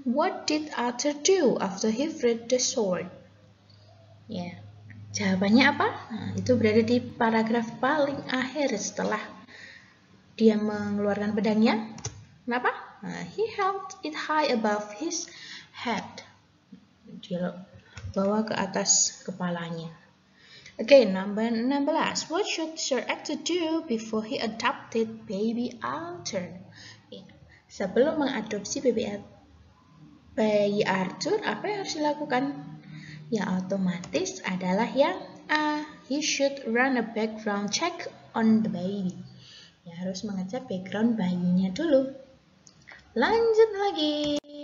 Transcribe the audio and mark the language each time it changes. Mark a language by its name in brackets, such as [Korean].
[English] What did Arthur do after he freed the sword? [Indonesian] Yeah, jawabannya apa? Nah, itu berada di paragraf paling akhir setelah dia mengeluarkan pedangnya. Kenapa? [English] Nah, he held it high above his head. [Indonesian] Dia bawa ke atas kepalanya. [English] Okay, number 16. What should Sir Arthur do before he adopted baby Arthur? [Indonesian] Sebelum mengadopsi bayi Arthur, apa yang harus dilakukan? Ya, otomatis adalah yang A. [English] He should run a background check on the baby. [Indonesian] ya harus mengecek background bayinya dulu. Lanjut lagi.